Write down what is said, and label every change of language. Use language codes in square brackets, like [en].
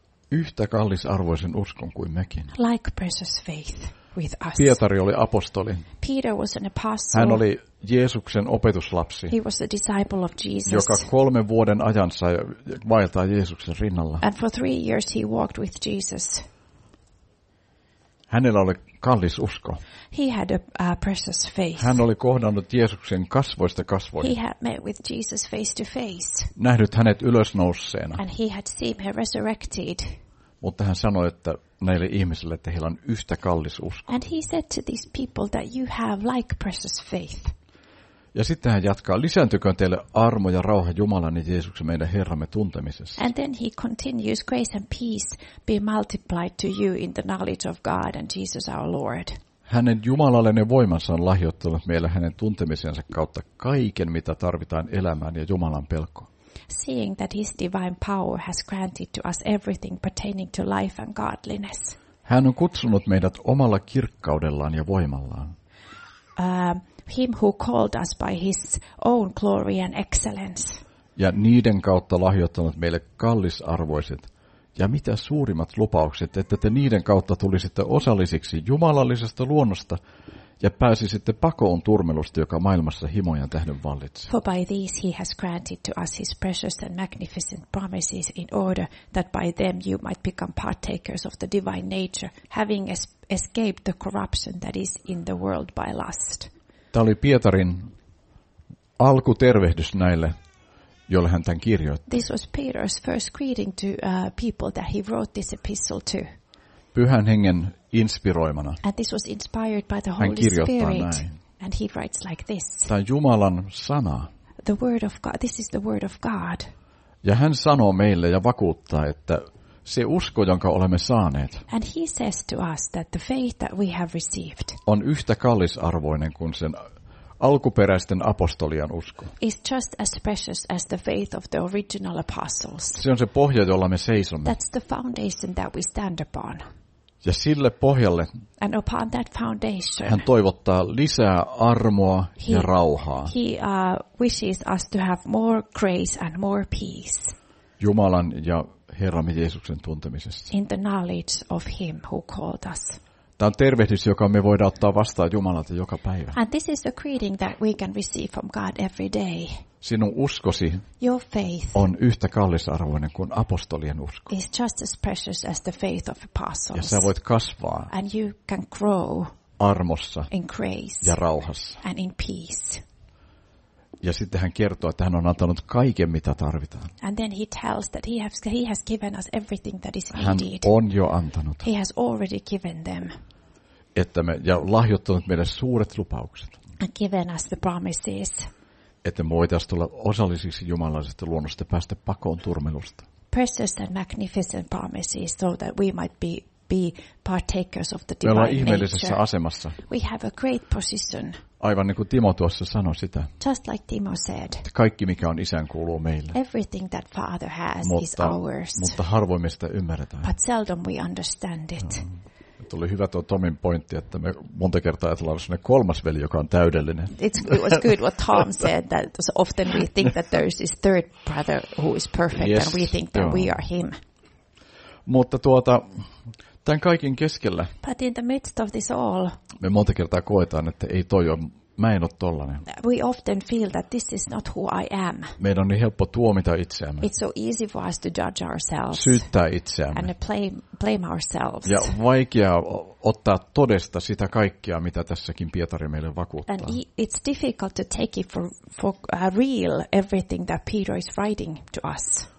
[fi] Yhtä kallisarvoisen uskon kuin mekin. [en] Like precious faith with us. [fi] Pietari oli apostoli. [en] Peter was an apostle. [fi] Hän oli Jeesuksen opetuslapsi. [en] He was a disciple of Jesus. [fi] Joka 3 vuoden ajan sai vaeltaa Jeesuksen rinnalla. [en] And for 3 years he walked with Jesus. [fi] Hänellä oli kallis usko. [en] He had a precious faith. [fi] Hän oli kohdannut Jeesuksen kasvoista kasvoihin. [en] He had met with Jesus face to face. [fi] Nähnyt hänet ylösnouseena. [en] And he had seen him resurrected. [fi] Mutta hän sanoi, että näille ihmisille, että heillä on yhtä kallis usko. [en] And he said to these people that you have like precious faith. [fi] Ja sitten hän jatkaa, lisääntyköön teille armo ja rauha Jumalan ja Jeesuksen meidän Herramme tuntemisessa. [en] And then he continues, grace and peace be multiplied to you in the knowledge of God and Jesus our Lord. [fi] Hänen jumalallinen voimansa on lahjoittanut meille hänen tuntemisensa kautta kaiken, mitä tarvitaan elämään ja Jumalan pelkoon. [en] Seeing that his divine power has granted to us everything pertaining to life and godliness. [fi] Hän on kutsunut meidät omalla kirkkaudellaan ja voimallaan. [en] Him who called us by his own glory and excellence. [fi] Ja niiden kautta lahjoittanut meille kallisarvoiset ja mitä suurimmat lupaukset, että te niiden kautta tulisitte osallisiksi jumalallisesta luonnosta ja pääsisitte pakoon turmelusta, joka maailmassa himojen tähden vallitsi. [en] For by these he has granted to us his precious and magnificent promises in order that by them you might become partakers of the divine nature, having escaped the corruption that is in the world by lust. [fi] Tämä oli Pietarin alkutervehdys näille, joille hän tämän kirjoitti. [en] This was Peter's first greeting to people that he wrote this epistle to. [fi] Pyhän Hengen inspiroimana. [en] And this was inspired by the Holy Spirit. [fi] Hän kirjoittaa näin. [en] And he writes like this. [fi] Tämä on Jumalan sana. [en] The word of God. This is the word of God. [fi] Ja hän sanoo meille ja vakuuttaa, että se usko, jonka olemme saaneet, [en] and he says to us that the faith that we have received [fi] on yhtä kallisarvoinen kuin sen alkuperäisten apostolien usko. [en] Is just as precious as the faith of the original apostles. [fi] Se on se pohja, jolla me seisomme. [en] That's the foundation that we stand upon. [fi] Ja sille pohjalle [en] and upon that foundation, [fi] hän toivottaa lisää armoa ja rauhaa. [en] He wishes us to have more grace and more peace. [fi] Jumalan ja Herramme Jeesuksen tuntemisessa. [en] In the knowledge of him who called us. [fi] Tämä on tervehdys, joka me voidaan ottaa vastaan Jumalalta joka päivä. [en] And this is a greeting that we can receive from God every day. [fi] Sinun uskosi [en] your faith [fi] on yhtä kallisarvoinen kuin apostolien usko. [en] Is just as precious as the faith of apostles. [fi] Ja sä voit kasvaa. [en] And you can grow [fi] armossa [en] in grace [fi] ja rauhassa. [en] And in peace. [fi] Ja sitten hän kertoo, että hän on antanut kaiken, mitä tarvitaan. [en] And then he tells that he has given us everything that is needed. [fi] Hän on jo antanut. [en] He has already given them. [fi] Että me, ja lahjoittanut meille suuret lupaukset. [en] And given us the promises. [fi] Että me voitaisiin tulla osallisiksi jumalaisesta luonnosta päästä pakoon turmelusta. [en] Precious and magnificent promises so that we might be partakers of the divine nature. [fi] Me ollaan ihmeellisessä asemassa. [en] We have a great position. [fi] Aivan niin kuin Timo tuossa sanoi sitä. [en] Just like Timo said. [fi] Kaikki mikä on isän kuuluu meille. [en] Everything that father has is ours. [fi] Mutta harvoin me sitä ymmärretään. [en] But seldom we understand it. [fi] Tuli hyvä tuo Tomin pointti, että me monta kertaa ajatellaan sinne kolmas veli, joka on täydellinen. [en] It was good what Tom said, that often we think that there is this third brother who is perfect, yes, and we think that we are him. [fi] Mutta tämän kaiken keskellä. [en] But in the midst of this all. [fi] Me monta kertaa koetaan, että ei toi ole, mä en ole tollainen. [en] We often feel that this is not who I am. [fi] Meidän on niin helppo tuomita itseämme. [en] It's so easy for us to judge ourselves. [fi] Syyttää itseämme. [en] And blame ourselves. [fi] Ja vaikea ottaa todesta sitä kaikkea, mitä tässäkin Pietari meille vakuuttaa. [en] And it's difficult to take it for real everything that Peter is writing to us.